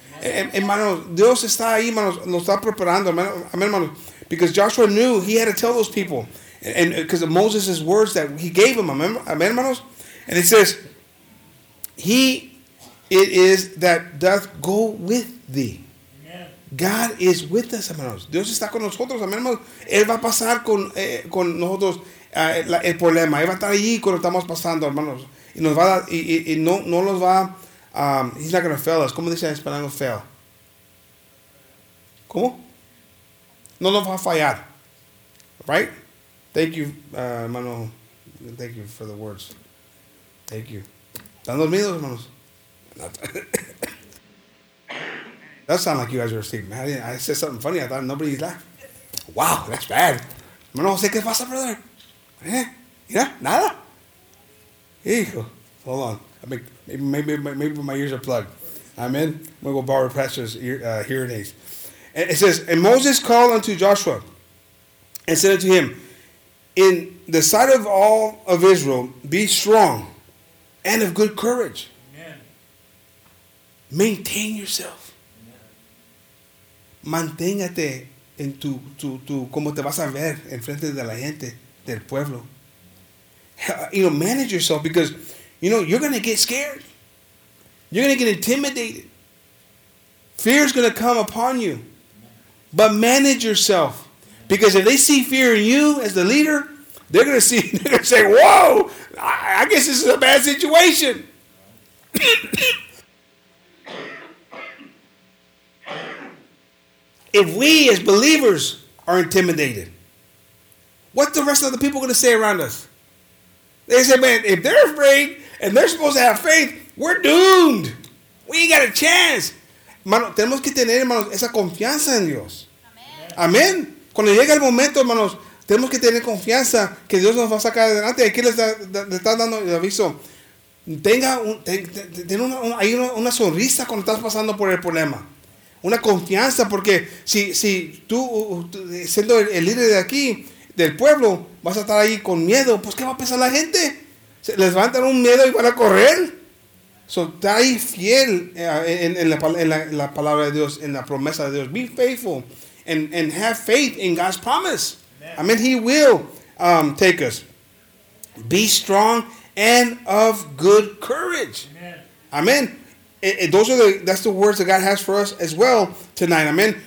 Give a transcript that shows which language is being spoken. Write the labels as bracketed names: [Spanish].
[Spanish] Hermanos, Dios está ahí, hermanos. Lo está preparando, hermanos. [English] Because Joshua knew he had to tell those people. And because of Moses' words that he gave him. [Spanish] Amen, hermanos? [English] And it says, he it is that doth go with thee. God is with us, [Spanish] hermanos. Dios está con nosotros, amén, hermanos. Él va a pasar con nosotros el problema. Él va a estar ahí cuando estamos pasando, hermanos. Y nos va a dar, y no, no los va a... [English] he's not going to fail us. [Spanish] ¿Cómo dice en español fail? ¿Cómo? No nos va a fallar. Right? [English] Thank you, hermano. Thank you for the words. Thank you. [Spanish] ¿Están dormidos, hermanos? [English] That sounds like you guys are asleep. Man, I said something funny. I thought nobody's laughing. Wow, that's bad. [Spanish] Hermano Jose, ¿qué pasa, brother? Yeah, nada. [English] Hijo, hold on. I mean, maybe my ears are plugged. Amen. I'm going to go borrow Pastor's hearing aids. And it says, and Moses called unto Joshua and said unto him, in the sight of all of Israel, be strong and of good courage. Amen. Maintain yourself. [Spanish] Manténgate en tu como te vas a ver en frente de la gente del pueblo. [English] You know, manage yourself because, you know, you're going to get scared. You're going to get intimidated. Fear is going to come upon you. But manage yourself. Because if they see fear in you as the leader, they're going to see, they're going to say, whoa, I guess this is a bad situation. If we as believers are intimidated, what's the rest of the people going to say around us? They say, man, if they're afraid and they're supposed to have faith, we're doomed. We ain't got a chance. [Spanish] Mano, tenemos que tener, hermanos, esa confianza en Dios. Amén. Cuando llega el momento, hermanos, tenemos que tener confianza que Dios nos va a sacar adelante. Aquí le está dando el aviso. Tenga una sonrisa cuando estás pasando por el problema. Una confianza, porque si tú, siendo el líder de aquí, del pueblo, vas a estar ahí con miedo, pues ¿qué va a pensar la gente? Les va a dar un miedo y van a correr. So, está ahí fiel en la palabra de Dios, en la promesa de Dios. [English] Be faithful and have faith in God's promise. Amen. I mean, he will take us. Be strong and of good courage. Amen. That's the words that God has for us as well tonight. Amen.